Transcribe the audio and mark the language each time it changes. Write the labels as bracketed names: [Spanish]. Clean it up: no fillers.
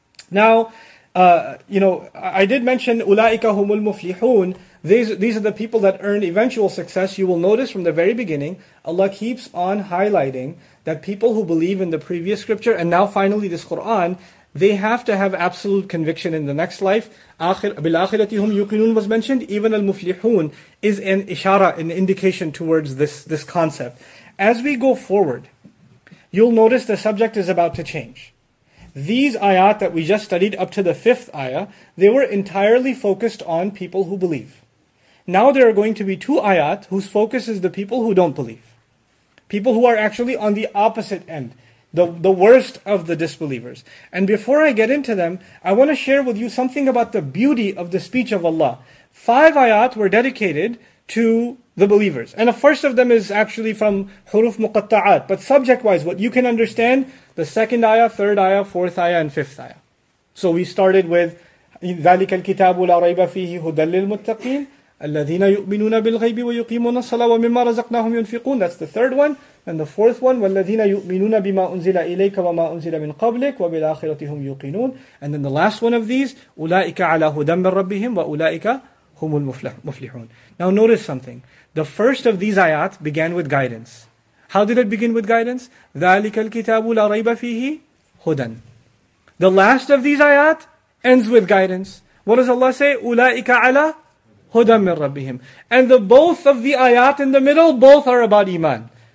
[English] Now, I did mention [Arabic] أُولَٰئِكَ هُمُ الْمُفْلِحُونَ. [English] These are the people that earn eventual success. You will notice from the very beginning, Allah keeps on highlighting that people who believe in the previous scripture, and now finally this Qur'an, they have to have absolute conviction in the next life. [Arabic] بِالْآخِرَةِ هُمْ يُقِنُونَ [English] was mentioned. Even al-muflihun is an ishara, an indication towards this concept. As we go forward, you'll notice the subject is about to change. These ayat that we just studied up to the fifth ayah, they were entirely focused on people who believe. Now there are going to be two ayat whose focus is the people who don't believe. People who are actually on the opposite end. The worst of the disbelievers. And before I get into them, I want to share with you something about the beauty of the speech of Allah. Five ayat were dedicated to the believers. And the first of them is actually from Huruf Muqatta'at. But subject-wise, what you can understand, the second ayah, third ayah, fourth ayah, and fifth ayah. So we started with [Arabic] ذَلِكَ الْكِتَابُ لَا رَيْبَ فِيهِ هُدًى لِلْمُتَّقِينَ الَّذِينَ يُؤْمِنُونَ بِالْغَيْبِ وَيُقِيمُونَ الصَّلَاةَ وَمِمَّا رَزَقْنَاهُمْ يُنْفِقُونَ. [English] That's the third one. And the fourth one, [Arabic] وَالَّذِينَ يُؤْمِنُونَ بِمَا أُنزِلَ إِلَيْكَ وَمَا أُنزِلَ مِنْ قَبْلِكَ وَبِالْآخِرَةِ هُمْ يُوقِنُونَ. [English] And then the last one of these, [Arabic] أُولَٰئِكَ عَلَىٰ هُدًى مِنْ رَبِّهِمْ وَأُولَٰئِكَ هُمُ الْمُفْلِحُونَ. [English] Now notice something. The first of these ayat began with guidance. How did it begin with guidance? [Arabic] ذَلِكَ الْكِتَابُ لَا رَيْبَ فِيهِ هُدًى. [English] The last of these ayat ends with guidance. What does Allah say? [Arabic] أُولَٰئِكَ عَلَىٰ هُدًى مِنْ رَبِّهِمْ. [English] And the both of the ayat in the middle, both are about iman.